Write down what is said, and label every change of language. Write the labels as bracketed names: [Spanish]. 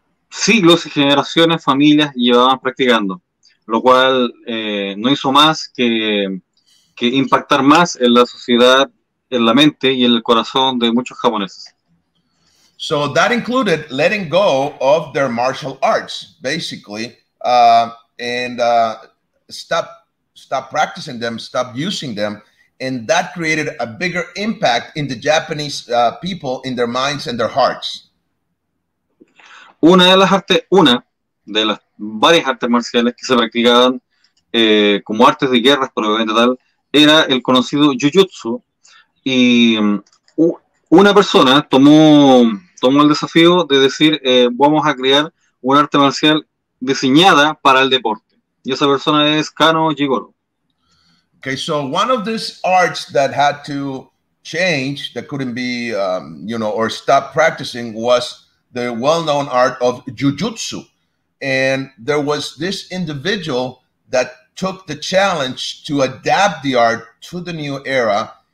[Spanish] siglos y generaciones, familias llevaban practicando, lo cual no hizo más que impactar más en la sociedad, en la mente y en el corazón de muchos japoneses. [English] So that included letting go of their martial arts, basically, and stop practicing them, stop using them, and that created a bigger impact in the Japanese people, in their minds and their hearts. [Spanish] Una de las varias artes marciales que se practicaban como artes de guerra, probablemente tal, era el conocido jiu-jitsu. Y una persona tomó el desafío de decir, vamos a crear un arte marcial diseñada para el deporte. Y esa persona es Kano Jigoro. [English] Okay, so one of these arts that had to change, that couldn't be, or stop practicing, was the well-known art of jujutsu. And there was this individual that took the challenge to adapt the art to the new era.